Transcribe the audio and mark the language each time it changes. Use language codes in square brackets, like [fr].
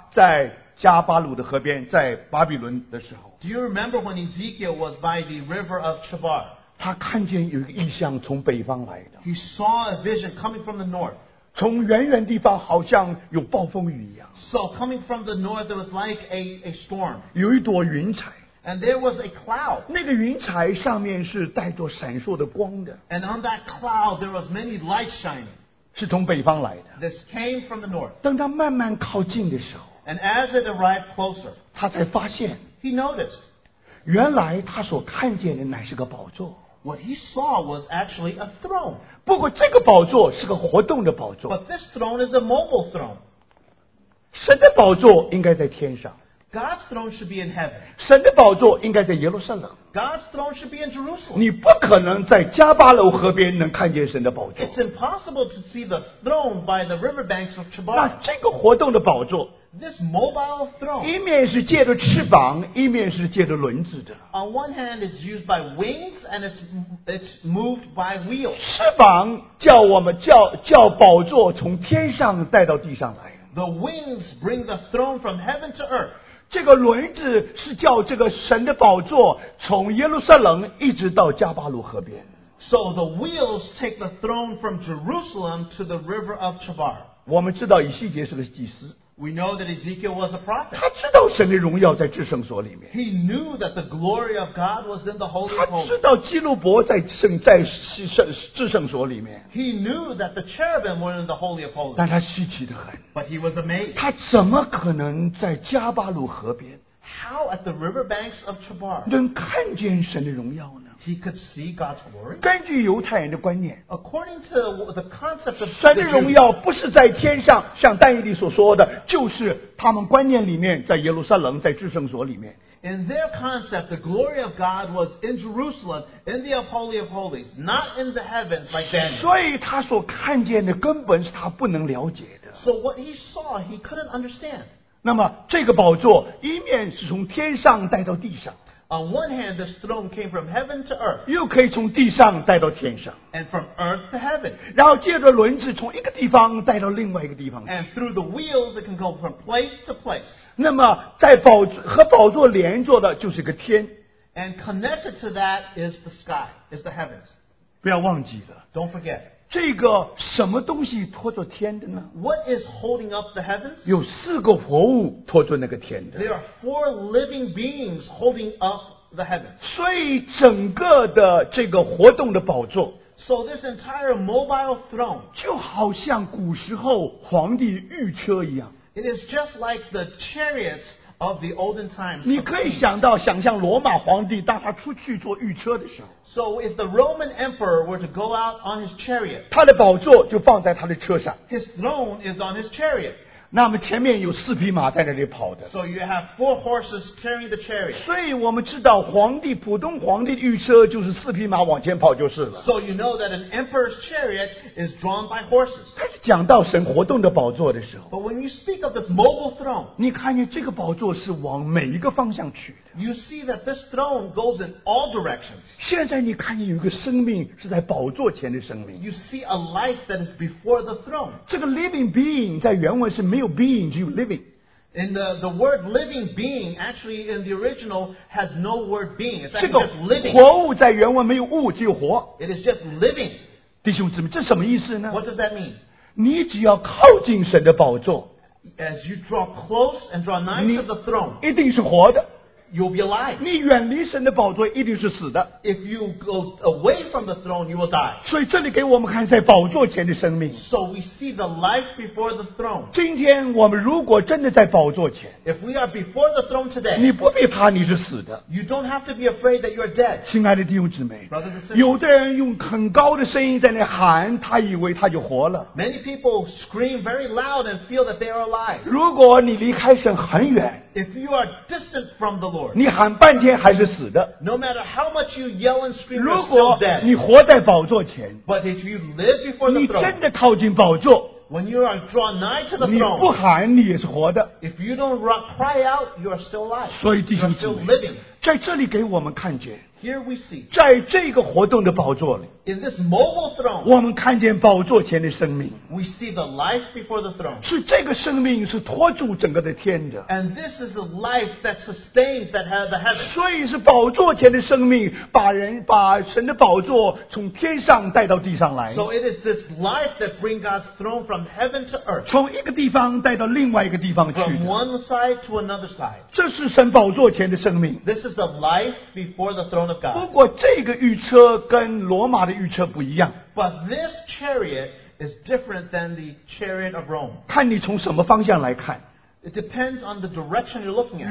[zh] 你记不记得以西结当他在加巴鲁的河边, 在巴比伦的时候, [en] do you remember when Ezekiel was by the river of Chebar? [zh] 他看见有一个异象从北方来的, [en] he saw a vision coming from the north. [zh] 从远远地方好像有暴风雨一样, [en] so coming from the north, there was like a storm. [zh] 有一朵云彩, [en] and there was a cloud. [zh] 那个云彩上面是带着闪烁的光的, [en] and on that cloud, there was many lights shining. [zh] 是从北方来的, [en] this came from the north. [zh] 等它慢慢靠近的时候, [en] and as it arrived closer, [zh] 它才发现, [en] he noticed, [zh] 原来它所看见的乃是个宝座, [en] what he saw was actually a throne. [zh] 不过这个宝座是个活动的宝座, [en] but this throne is a mobile throne. [zh] 神的宝座应该在天上, [en] God's throne should be in heaven. [zh] 神的宝座应该在耶路撒冷, [en] God's throne should be in Jerusalem. [zh] 你不可能在加巴楼河边能看见神的宝座, [en] it's impossible to see the throne by the riverbanks of Chebar. [zh] 那这个活动的宝座, [en] this mobile throne, [zh] 一面是借着翅膀, 一面是借着轮子的, [en] on one hand it's used by wings and it's moved by wheels. [zh] 翅膀叫宝座从天上带到地上来, [en] the wings bring the throne from heaven to earth. [zh] 这个轮子是叫这个神的宝座从耶路撒冷一直到加巴鲁河边。 [en] So the wheels take the throne from Jerusalem to the river of Chebar. [zh] 我们知道以西结是个祭司。 [en] We know that Ezekiel was a prophet. [zh] 他知道神的荣耀在至圣所里面。 [en] He knew that the glory of God was in the Holy of Holies. [zh] 他知道基路伯在至圣所里面。 [en] He knew that the cherubim were in the Holy of Holies. [zh] 但他稀奇得很。 [en] But he was amazed. [zh] 他怎么可能在加巴鲁河边 [en] How at the riverbanks of Chebar? [zh] 能看见神的荣耀呢？ [en] He could see God's glory. [zh] 根据犹太人的观念 [en] According to the concept of the Jews, [zh] 神的荣耀不是在天上像但以理所说的就是他们观念里面在耶路撒冷在至圣所里面 [en] In their concept, the glory of God was in Jerusalem, in the Holy of Holies, not in the heavens like Daniel. [zh] 所以他所看见的根本是他不能了解的 [en] So what he saw, he couldn't understand. [zh] 那么这个宝座一面是从天上带到地上 [en] On one hand, the throne came from heaven to earth. [zh] 又可以从地上带到天上。 [en] And from earth to heaven. [zh] 然后借着轮子从一个地方带到另外一个地方去。 [en] And through the wheels, it can go from place to place. [zh] 那么在宝和宝座连坐的就是个天。 [en] And connected to that is the sky, is the heavens. [zh] 不要忘记了。 [en] Don't forget. [zh] 这个什么东西托着天的呢？ [en] What is holding up the heavens? [zh] 有四个活物托着那个天的。 [en] There are four living beings holding up the heavens. [zh] 所以整个的这个活动的宝座。 [en] So this entire mobile throne. [zh] 就好像古时候皇帝御车一样。 [en] It is just like the chariots of the olden times. [zh] 你可以想到想象罗马皇帝当他出去坐御车的时候。 [en] So if the Roman emperor were to go out on his chariot, [zh] 他的宝座就放在他的车上。 [en] His throne is on his chariot. [zh] 那么前面有四匹马在那里跑的。 [en] So you have four horses carrying the chariot. [zh] 所以我们知道皇帝普通皇帝的御车就是四匹马往前跑就是了。 [en] So you know that an emperor's chariot is drawn by horses. [zh] 他是讲到神活动的宝座的时候。 [en] But when you speak of this mobile throne, [zh] 你看见这个宝座是往每一个方向去的。 [en] You see that this throne goes in all directions. [zh] 现在你看见有一个生命是在宝座前的生命。 [en] You see a life that is before the throne. [zh] 这个 living being 在原文是没有 being, 只有 living. [en] And the word living being actually in the original has no word being. It's actually just living. [zh] 活物在原文没有物，只有活。 [en] It is just living. [zh] 弟兄姊妹，这什么意思呢？ [en] What does that mean? [zh] 你只要靠近神的宝座。 [en] As you draw close and draw nigh to the throne. [zh] 一定是活的。 [en] You'll be alive. [zh] 你远离神的宝座一定是死的。 [en] If you go away from the throne, you will die. [zh] 所以这里给我们看在宝座前的生命。 [en] So we see the life before the throne. [zh] 今天我们如果真的在宝座前。 [en] If we are before the throne today. [zh] 你不必怕你是死的。 [en] You don't have to be afraid that you are dead. [zh] 亲爱的弟兄姊妹。 [en] Brothers and sisters. [zh] 有的人用很高的声音在那喊他以为他就活了。 [en] Many people scream very loud and feel that they are alive. [zh] 如果你离开神很远。 [en] If you are distant from the Lord, [zh] 你喊半天还是死的。 [en] No matter how much you yell and scream, [zh] 如果你活在宝座前， [en] but if you live before the throne, [zh] 你真的靠近宝座， [en] when you are drawn nigh to the throne, [zh] 你不喊你也是活的。 [en] If you don't cry out, you are still alive. [zh] 所以弟兄姊妹，在这里给我们看见。 [en] Here we see, [zh] 在这个活动的宝座里 [en] in this mobile throne, [zh] 我们看见宝座前的生命 [en] we see the life before the throne. [zh] 是这个生命是托住整个的天的 [en] and this is the life that sustains that has the heaven. [zh] 所以是宝座前的生命把神的宝座从天上带到地上来 [en] so it is this life that brings God's throne from heaven to earth. [zh] 从一个地方带到另外一个地方去 [en] from one side to another side. [zh] 这是神宝座前的生命 [en] this is the life before the throne. [zh] 不过这个御车跟罗马的御车不一样。 [en] But this chariot is different than the chariot of Rome. [zh] 看你从什么方向来看。 [en] It depends on the direction you're looking at.